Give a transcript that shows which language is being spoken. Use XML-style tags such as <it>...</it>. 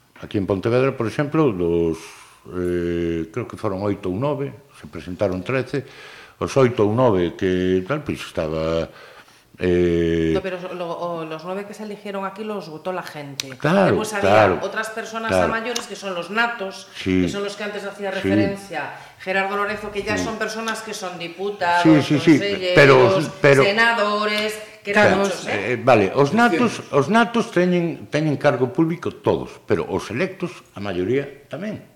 <gl>Aquí en Pontevedra, por exemplo, creo que foron 8 ou 9, se presentaron 13, os 8 ou 9 que tal, pois estaba...</gl> <es>No, pero los 9 que se eligieron aquí los votó la gente. Claro, después había otras personas a mayores que son los natos, que son los que antes hacía referencia Gerardo Lorenzo, que ya son personas que son diputados, pero senadores, que eran muchos.</es> <gl>Vale, os natos teñen cargo público todos, pero os electos, a maioría, tamén.</gl>